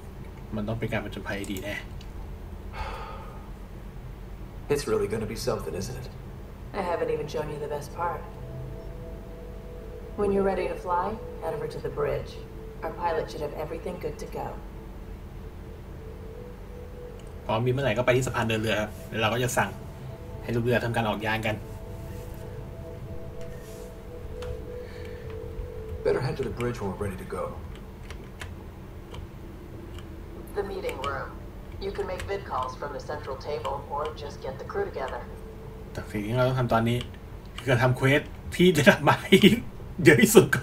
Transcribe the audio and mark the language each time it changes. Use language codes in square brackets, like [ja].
[en] It must be a good job, right? It's really going to be something, isn't it? I haven't even shown you the best part. When you're ready to fly, head over to the bridge. Our pilot should have everything good to go. [th] พร้อมมีเมื่อไหร่ก็ไปที่สะพานเดินเรือครับเราก็จะสั่งให้ลูกเรือทำการออกยานกัน [en] Better head to the bridge when we're ready to go. The meeting room. You can make vid calls from the central table, or just get the crew together. The thing we have to do now is to do the quest that we have to do first.